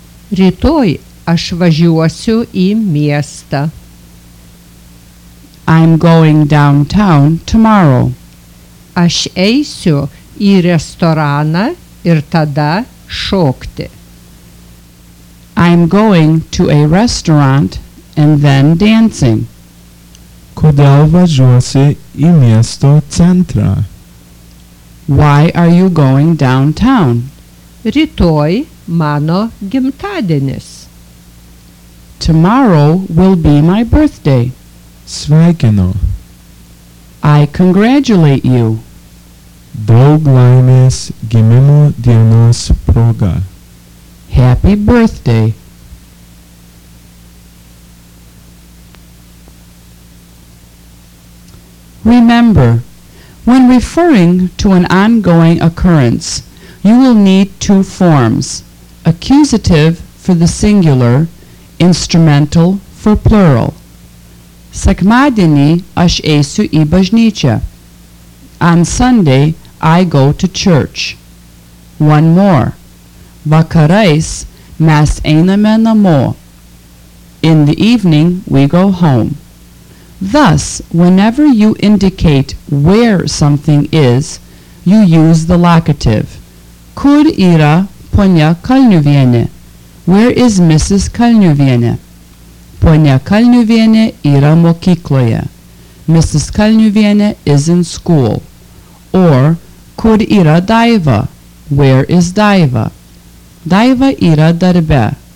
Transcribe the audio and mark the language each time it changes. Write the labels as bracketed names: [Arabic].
[Lithuanian] Rytoj aš važiuosiu į miestą. [English] I'm going downtown tomorrow. [Lithuanian] Aš eisiu į restoraną ir tada šokti. [English] I'm going to a restaurant and then dancing. [Lithuanian] Kodėl važiuosi į miesto centrą? [English] Why are you going downtown? [Lithuanian] Rytoj mano gimtadienis. [English] Tomorrow will be my birthday. [Lithuanian] Sveikinu. [English] I congratulate you. [Lithuanian] Daug laimės gimimo dienos proga. [English] Happy birthday. Remember, when referring to an ongoing occurrence, you will need two forms, accusative for the singular, instrumental for plural. [Lithuanian] Sekmadienį aš eisiu į bažnyčią. [English] On Sunday, I go to church. One more. [Lithuanian] Vakarais mes einame namo. [English] In the evening, we go home. Thus, whenever you indicate where something is, you use the locative. [Lithuanian] Kur yra ponia Kalniuvienė? [English] Where is Mrs. Kalniuvienė? [Lithuanian] Ponia Kalniuvienė yra mokykloje. [English] Mrs. Kalniuvienė is in school. Or, [Lithuanian] kur yra Daiva? [English] Where is Daiva? [Lithuanian] Daiva yra darbe.